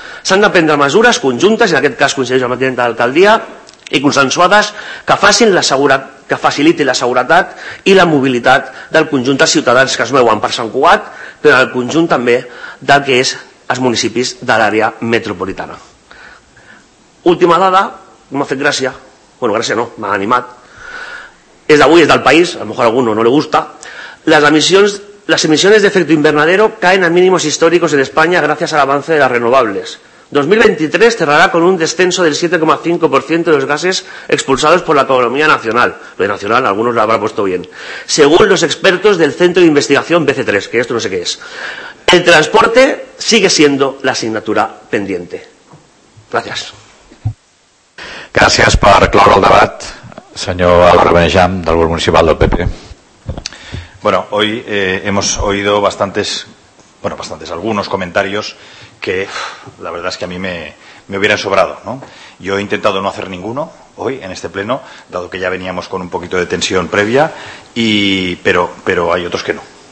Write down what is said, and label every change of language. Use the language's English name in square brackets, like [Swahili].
[Catalan] S'han de prendre mesures conjuntes, i en aquest cas coincideix amb la tinenta d'alcaldia, i consensuades, que facilitin la seguretat i la mobilitat del conjunt dels ciutadans que es mouen per Sant Cugat, però del conjunt també del que és els municipis de l'àrea metropolitana. Última dada, m'ha fet gràcia, bueno, gràcia no, m'ha animat, és d'avui, és del país, [Spanish] a lo mejor a alguno no le gusta, las emisiones de efecto invernadero caen a mínimos históricos en España gracias al avance de las renovables. 2023 cerrará con un descenso del 7,5% de los gases expulsados por la economía nacional. Lo de nacional, algunos lo habrán puesto bien. Según los expertos del Centro de Investigación BC3, que esto no sé qué es, el transporte sigue siendo la asignatura pendiente. Gracias. [Catalan] Gràcies per cloure el debat, senyor Álvaro Benejam, del grup municipal del PP. [Spanish] Bueno, hoy hemos oído bastantes, algunos comentarios que la verdad es que a mí me hubieran sobrado, ¿no? Yo he intentado no hacer ninguno, hoy en este pleno, dado que ya veníamos con un poquito de tensión previa, y pero hay otros que no.